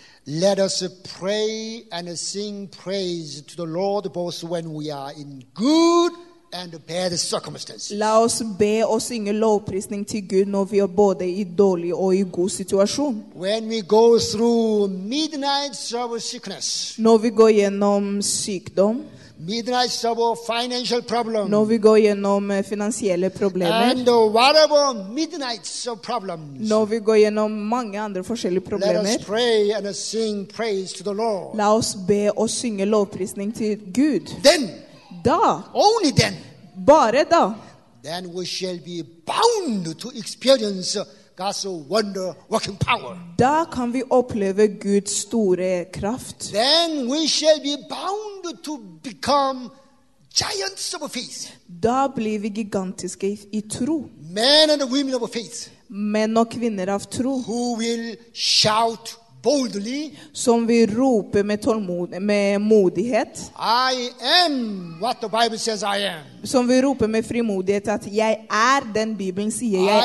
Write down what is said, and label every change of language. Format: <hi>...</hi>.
<en>let us pray and sing praise to the Lord both when we are in good and bad circumstances.</en> <sv>Låt oss be och sjunga lovprisning till Gud när vi är både i dålig och i god situation.</sv> <en>When we go through midnight trouble sickness.</en> <sv>När vi går igenom sjukdom.</sv> <en>Midnight trouble, financial problem.</en> <sv>Nu vi går igenom finansiella problem.</sv> <en>And whatever midnight problems.</en> <sv>Nu vi går igenom många andra olika problem.</sv> <en>Let us pray and sing praise to the Lord.</en> <sv>Låt oss be och sjunga lovprisning till Gud.</sv> <en>Then.</en> <sv>Då.</sv> <en>Only then.</en> <sv>Bara då.</sv> <en>Then we shall be bound to experience God's wonder working power.</en> <sv>Då kan vi uppleva Guds stora kraft.</sv> <en>Then we shall be bound to become giants of faith.</en> <sv>Då blir vi gigantiska i tro.</sv> <en>Men and women of faith.</en> <sv>Män och kvinnor av tro.</sv> <en>Who will shout boldly?</en> <sv>Som vi ropar med tålmod, med modighet.</sv> <en>I am what the Bible says I am.</en> <sv>Som vi ropar med frimodighet att jag är den Bibeln säger jag</sv>